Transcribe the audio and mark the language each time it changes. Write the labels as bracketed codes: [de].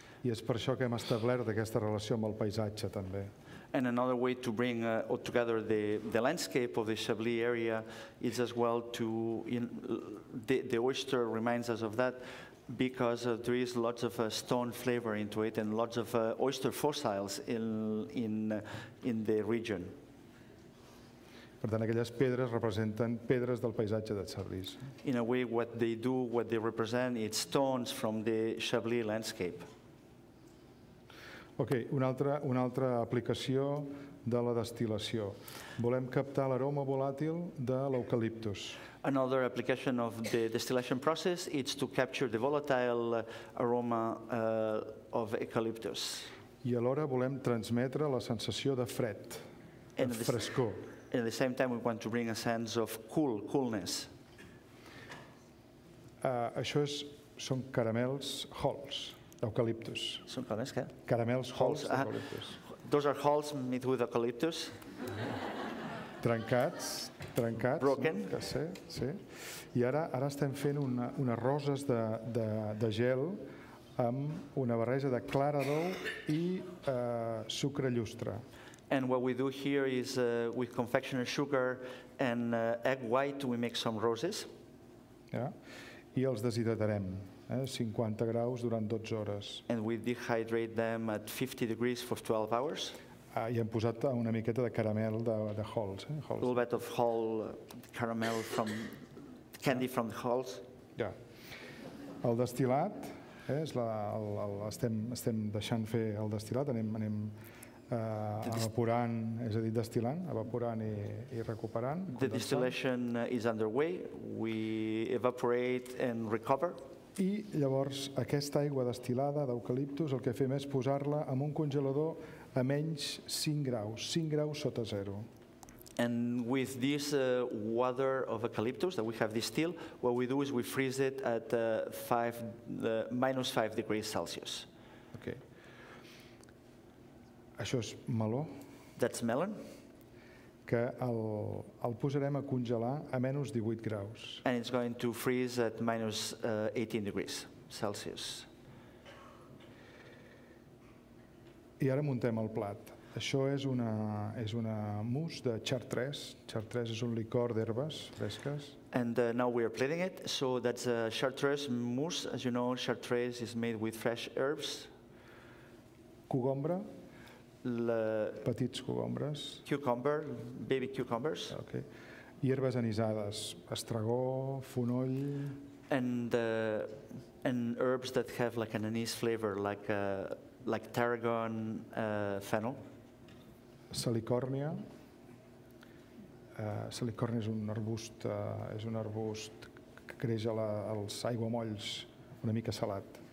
[ca] I és per això que hem establert aquesta relació amb el paisatge, també. [en] And another way to bring together the landscape of the Chablis area is as well to the oyster reminds us of that because there is lots of stone flavor into it and lots of oyster fossils in the region. [ca] Per tant, aquelles pedres representen pedres del paisatge de Chablis. [en] In a way, what they represent is stones from the Chablis landscape. [ca] Okay, una altra aplicació de la destil·lació. Volem captar l'aroma volàtil de l'eucaliptus. [en] Another application of the distillation process is to capture the volatile aroma of eucalyptus. [ca] I alhora volem transmetre la sensació de fred, de frescor. [en] At the same time, we want to bring a sense of cool, coolness. [ca] Això és, són caramels Halls d'eucaliptus. Són caramels què? Caramels Halls d'eucaliptus. [en] Those are Halls made with eucalyptus. [ca] Trencats, trencats. [en] Broken. [ca] No? Sé, sí. I ara, ara estem fent unes roses de gel amb una barreja de clara d'ou i sucre llustre. [en] And what we do here is we confection sugar and egg white, we make some roses. Yeah. [ca] I els deshidratarem, 50 graus durant 12 hores. [en] And we dehydrate them at 50 degrees for 12 hours. [ca] I hem posat una miqueta de caramel de Halls. [en] A little bit of Hall caramel from candy yeah. From the Halls. Yeah. [ca] El destil·lat, és la, estem deixant fer el destil·lat, anem evaporant, és a dir, destil·lant, evaporant i recuperant. [en] The distillation is underway. We evaporate and recover. [ca] I llavors aquesta aigua destil·lada d'eucaliptus el que fem és posar-la en un congelador a menys 5 graus, 5 graus sota zero. [en] And with this water of eucalyptus that we have distilled, what we do is we freeze it at -5 degrees Celsius. Okay. [ca] Això és meló. [en] That's melon. [ca] Que el posarem a congelar a menys 18 graus. [en] And it's going to freeze at -18 degrees Celsius. [ca] I ara muntem el plat. Això és una mousse de chartres. Chartres és un licor d'herbes fresques. [en] And now we are plating it. So that's a chartres mousse. As you know, chartres is made with fresh herbs. [ca] Cogombre. Petits cogombres. [en] Cucumber, baby cucumbers. [ca] Okay. I herbes anisades. Estragó, fonoll. [en] And herbs that have like an anise flavor, like tarragon, fennel. [ca] Salicòrnia. Salicòrnia és un arbust que creix a als aiguamolls, una mica salat.